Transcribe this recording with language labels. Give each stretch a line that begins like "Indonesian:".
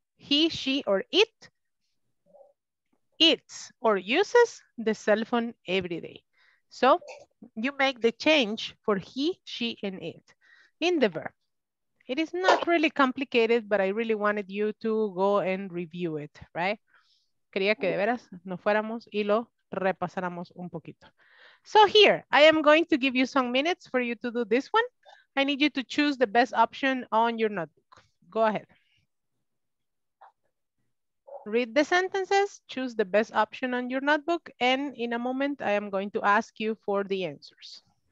English: He, she, or it eats or uses the cell phone every day. So you make the change for he, she, and it in the verb. It is not really complicated, but I really wanted you to go and review it, right?
Spanish: Quería que de veras nos fuéramos y lo repasáramos un poquito.
English: So here, I am going to give you some minutes for you to do this one. I need you to choose the best option on your notebook. Go ahead. Read the sentences, choose the best option on your notebook, and in a moment, I am going to ask you for the answers.